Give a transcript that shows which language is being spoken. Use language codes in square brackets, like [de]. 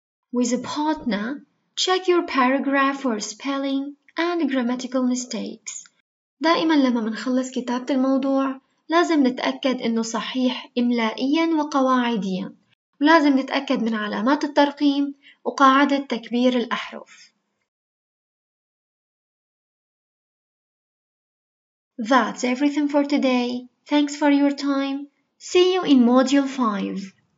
[en] With a partner, check your paragraph for spelling and grammatical mistakes. [ar] دائما لما بنخلص كتابة الموضوع لازم نتأكد انه صحيح املائيا وقواعديا ولازم نتأكد من علامات الترقيم وقاعدة تكبير الاحرف. [en] That's everything for today. Thanks for your time. See you in module 5.